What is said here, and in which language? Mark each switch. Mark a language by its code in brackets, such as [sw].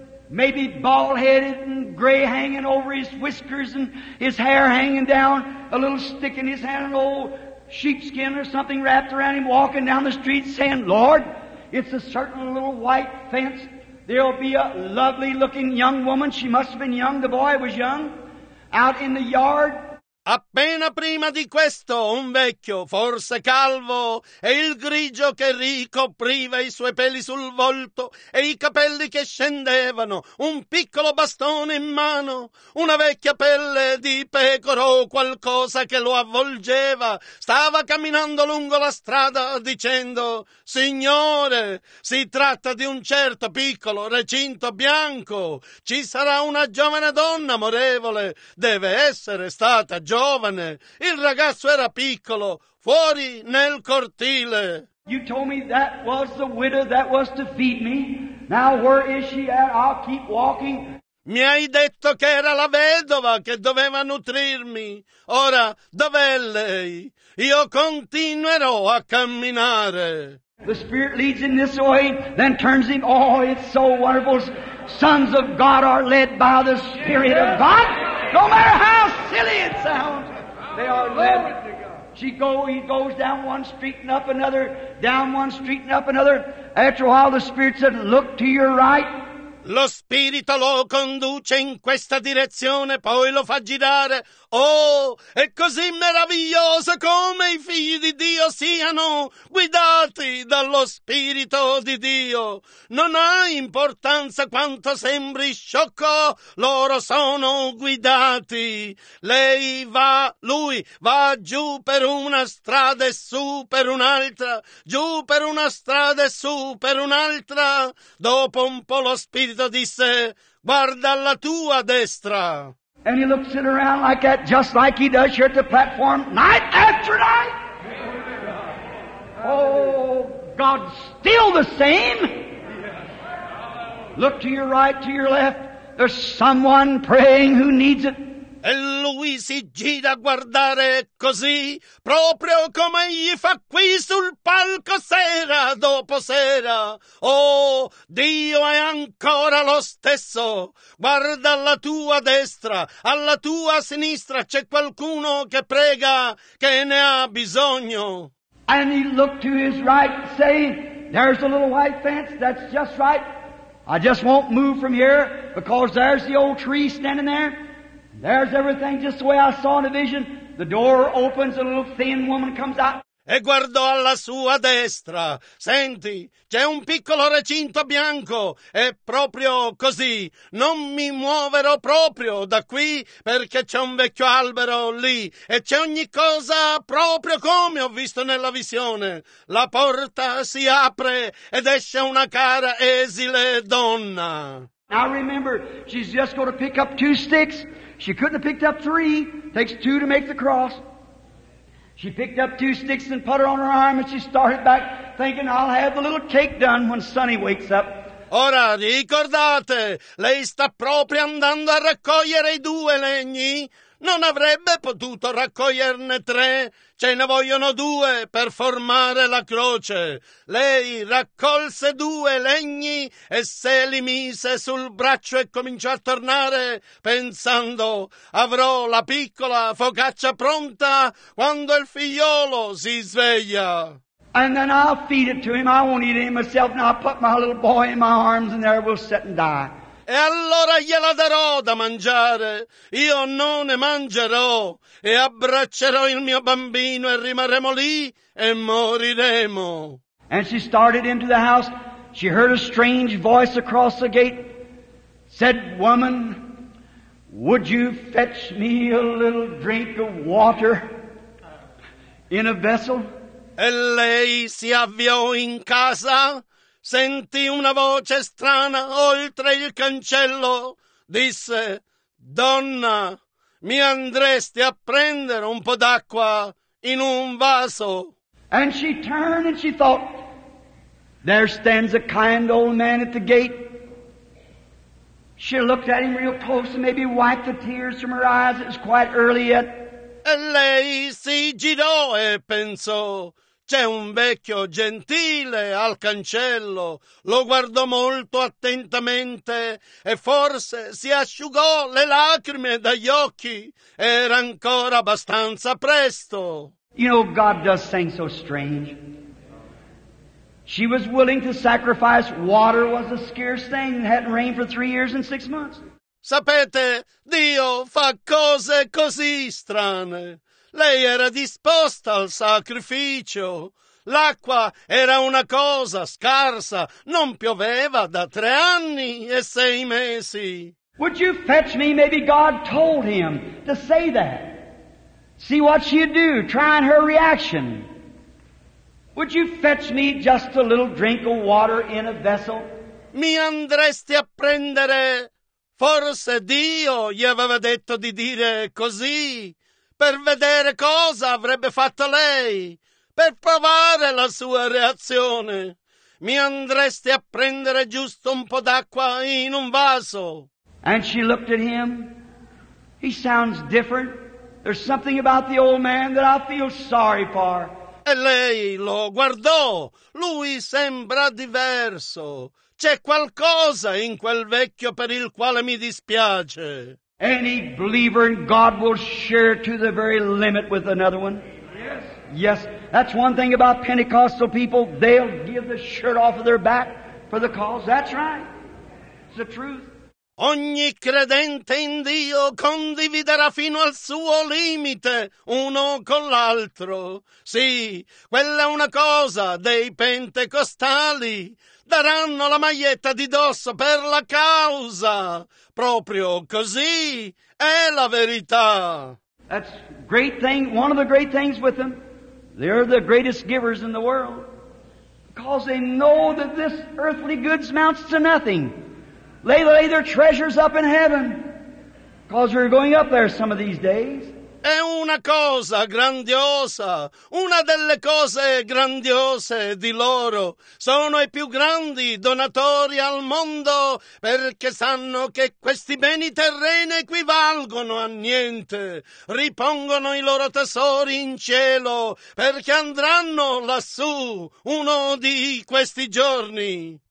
[en] maybe bald-headed and gray hanging over his whiskers and his hair hanging down, a little stick in his hand, an old sheepskin or something wrapped around him, walking down the street saying, Lord, it's a certain little white fence. There'll be a lovely-looking young woman. She must have been young. The boy was young. Out in the yard. [it] Appena prima di questo, un vecchio, forse calvo, e il grigio che ricopriva i suoi peli sul volto, e i capelli che scendevano, un piccolo bastone in mano, una vecchia pelle di pecora o qualcosa che lo avvolgeva, stava camminando lungo la strada dicendo, Signore, si tratta di un certo piccolo recinto bianco, ci sarà una giovane donna amorevole, deve essere stata giovane, il ragazzo era piccolo, fuori nel cortile. [en] You told me that was the widow that was to feed me. Now where is she at? I'll keep walking. [it] Mi hai detto che era la vedova che doveva nutrirmi. Ora, dov'è lei? Io continuerò a camminare. [en] The spirit leads in this way, then turns him. Oh, it's so wonderful. Sons of God are led by the Spirit of God. No matter how silly it sounds, they are led. He goes down one street and up another, down one street and up another. After a while, the Spirit said, look to your right. [it] Lo Spirito lo conduce in questa direzione, poi lo fa girare. Oh, è così meraviglioso come i figli di Dio siano guidati dallo Spirito di Dio. Non ha importanza quanto sembri sciocco, loro sono guidati. Lei va, lui va giù per una strada e su per un'altra, giù per una strada e su per un'altra. Dopo un po' lo Spirito disse, guarda alla tua destra. [en] And he looks it around like that, just like he does here at the platform, night after night. Oh, God's still the same. Look to your right, to your left. There's someone praying who needs it. [it] E lui si gira a guardare così, proprio come egli fa qui sul palco sera dopo sera. Oh, Dio è ancora lo stesso. Guarda alla tua destra, alla tua sinistra, c'è qualcuno che prega, che ne ha bisogno. [en] And he looked to his right, saying, there's a little white fence, that's just right. I just won't move from here, because there's the old tree standing there. There's everything just the way I saw in a vision. The door opens and a little thin woman comes out. [it] E guardò alla sua destra. Senti, c'è un piccolo recinto bianco. È proprio così. Non mi muoverò proprio da qui perché c'è un vecchio albero lì. E c'è ogni cosa proprio come ho visto nella visione. La porta si apre ed esce una cara esile donna. [en] Now remember, she's just going to pick up two sticks. She couldn't have picked up three. Takes two to make the cross. She picked up two sticks and put her on her arm and she started back thinking, I'll have the little cake done when Sonny wakes up. [it] Ora ricordate, lei sta proprio andando a raccogliere i due legni. Non avrebbe potuto raccoglierne tre. Ce ne vogliono due per formare la croce. Lei raccolse due legni e se li mise sul braccio e cominciò a tornare pensando avrò la piccola focaccia pronta quando il figliolo si sveglia. [en] And then I'll feed it to him. I won't eat it myself. And I'll put my little boy in my arms and there we'll sit and die. [it] E allora gliela darò da mangiare. Io non ne mangerò. E abbraccerò il mio bambino e rimarremo lì e moriremo. [en] And she started into the house. She heard a strange voice across the gate. Said, woman, would you fetch me a little drink of water in a vessel? [it] E lei si avviò in casa. Sentì una voce strana oltre il cancello. Disse, donna, mi andresti a prendere un po' d'acqua in un vaso? [en] And she turned and she thought, there stands a kind old man at the gate. She looked at him real close and maybe wiped the tears from her eyes. It was quite early yet. [it] E lei si girò e pensò, C'è un vecchio gentile al cancello, lo guardò molto attentamente e forse si asciugò le lacrime dagli occhi. Era ancora abbastanza presto. [en] You know, God does things so strange. She was willing to sacrifice. Water was a scarce thing. It hadn't rained for 3 years and 6 months. [it] Sapete, Dio fa cose così strane. Lei era disposta al sacrificio. L'acqua era una cosa scarsa. Non pioveva da 3 anni e 6 mesi. [en] Would you fetch me? Maybe God told him to say that. See what she'd do, trying her reaction. Would you fetch me just a little drink of water in a vessel? [it] Mi andresti a prendere? Forse Dio gli aveva detto di dire così, per vedere cosa avrebbe fatto lei, per provare la sua reazione. Mi andresti a prendere giusto un po' d'acqua in un vaso? [en] And she looked at him. He sounds different. There's something about the old man that I feel sorry for. [it] E lei lo guardò. Lui sembra diverso. C'è qualcosa in quel vecchio per il quale mi dispiace. [en] Any believer in God will share to the very limit with another one. Yes, that's one thing about Pentecostal people. They'll give the shirt off of their back for the cause. That's right. It's the truth. [it] Ogni credente in Dio condividerà fino al suo limite uno con l'altro. Sì, quella è una cosa dei pentecostali. Daranno la maglietta di dosso per la causa. Proprio così è la verità. [en] That's great thing, one of the great things with them. They're the greatest givers in the world. Because they know that this earthly goods amounts to nothing. They lay their treasures up in heaven, because we're going up there some of these days. [it] È una cosa grandiosa, una delle cose grandiose di loro. Sono i più grandi donatori al mondo, perché sanno che questi beni terreni equivalgono a niente. Ripongono i loro tesori in cielo, perché andranno lassù uno di questi giorni.